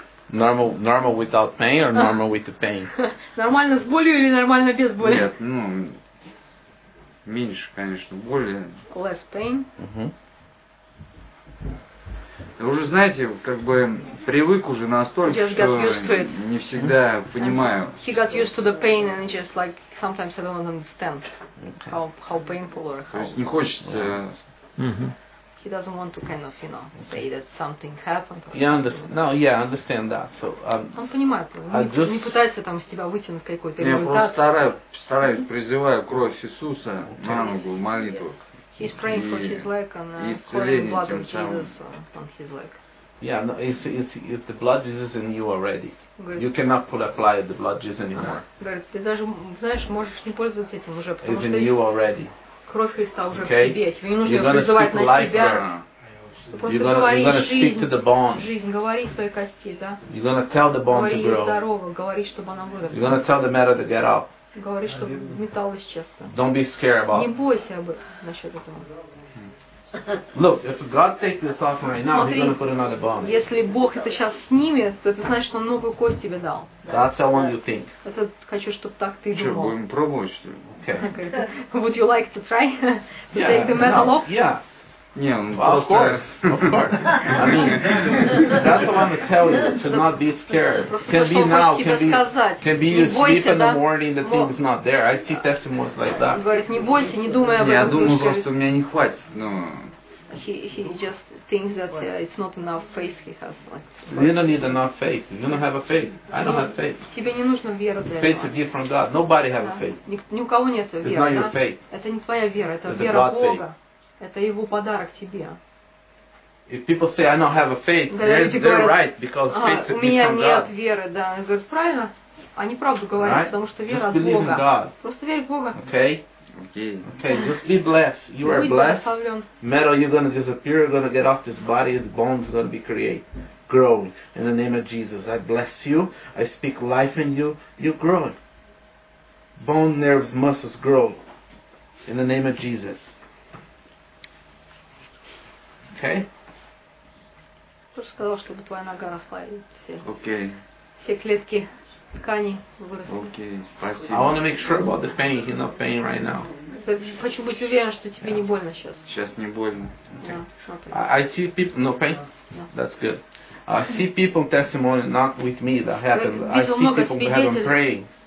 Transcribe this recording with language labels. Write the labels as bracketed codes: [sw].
[en] Normal without pain or normal with the pain? [ru] Нормально с болью или нормально без боли? Нет, ну меньше, конечно, боли. [en] Less pain. [ru] Вы уже знаете, как бы привык уже настолько, что не всегда понимаю. [en] He got used to the pain and just like sometimes I don't understand how painful or how. [ru] То есть не хочется. [en] He doesn't want to kind of, you know, say that something happened. I understand that. So [ru] он понимает, не пытается там из тебя вытянуть какой-то результат. Я просто стараюсь, призываю кровь Иисуса на ногу, молитву. [en] He's praying for his leg and calling the blood of Jesus on his leg. Yeah, no, it's the blood of Jesus in you already. Good. You cannot apply the blood of Jesus anymore. [ru] Ты даже знаешь, можешь не пользоваться этим уже, потому что [en] it's in you already. [ru] Кровь Христа уже okay? в тебе. Тебе не нужно you're призывать на себя. [en] You're gonna speak to the bone. [ru] Жизнь, говори своей кости, да? [en] You're gonna tell the bone [ru] говори [en] to grow. [ru] Здорово, говори, чтобы она выросла. [en] You're gonna tell the matter to get up. [ru] Говори, что металл исчез. [en] Don't be scared about. [ru] Не бойся об насчет этого. [en] Look, if God takes this off right now, He's gonna put another bone. [ru] Если Бог это сейчас снимет, то это значит, что Он новую кость тебе дал. [en] That's how long you think. [ru] Это хочу, чтобы так ты думал. Что, будем пробовать, что ли? [en] Okay. Would you like to try to yeah, take the metal no, off? Yeah. [ru] Не, [en] of course. I mean, that's what I want to tell you, to not be scared. Can be now, can be you sleep in the morning, the thing is not there. I see testimonies like that. [ru] Говорит, не бойся, не думай об этом. Я думаю, просто у меня не хватит, но... [en] He just thinks that it's not enough faith he has. Like, you don't need enough faith. You don't have a faith. I don't have faith. [ru] Тебе не нужно вера для этого. [en] Faith is a gift from God. Nobody has a faith. [ru] Ни у кого нет веры. [en] It's not your faith. [ru] Это не твоя вера, это вера Бога. Это его подарок тебе. [en] If people say I don't have a faith, they're right because faith is from God. [ru] У меня нет веры, да. Они говорят правильно, они правду говорят, [en] right? [ru] Потому что вера от Бога. Просто верь в Бога. [en] Okay. Okay. Okay. Just be blessed. You are blessed. Metal, you're gonna disappear. You're gonna get off this body. The bones are gonna be created, growing. In the name of Jesus, I bless you. I speak life in you. You're growing. Bone, nerves, muscles grow. In the name of Jesus. Okay. [ru] Просто сказал, чтобы твоя нога росла и все. [en] Okay. [ru] Все клетки ткани выросли. [en] Okay. Спасибо. I want to make sure about the pain. You're not pain right now. [ru] Хочу быть уверен, что тебе не больно сейчас. Сейчас не больно. [en] I see people no pain. That's good. I see people testimony not with me that happened. I see people who haven't prayed.